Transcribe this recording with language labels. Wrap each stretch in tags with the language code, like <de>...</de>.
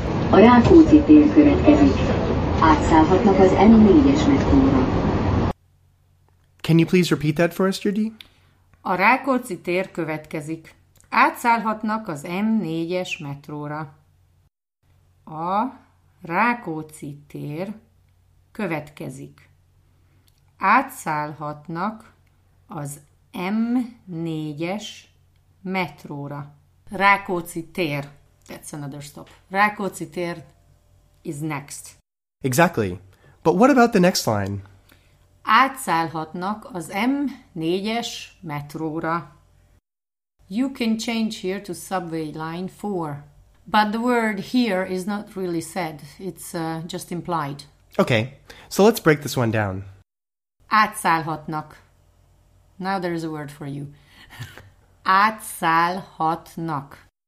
<hu>A Rákóczi tér következik. Átszállhatnak az M4-es metróra.</hu> <en>Can you please repeat that for us, Judy?</en> <hu>A Rákóczi tér következik. Átszállhatnak az M4-es metróra. A Rákóczi tér következik. Átszállhatnak az M4-es metróra.</hu> <en>Rákóczi tér. That's another stop. Rákóczi tér is next. Exactly. But what about the next line?</en> <hu>Átszállhatnak az M4-es metróra.</hu> <en>You can change here to subway line 4. But the word here is not really said. It's just implied. Okay. So let's break this one down. Átszállhatnak. Now there is a word for you.</en> <hu>Átszállhatnak.</hu>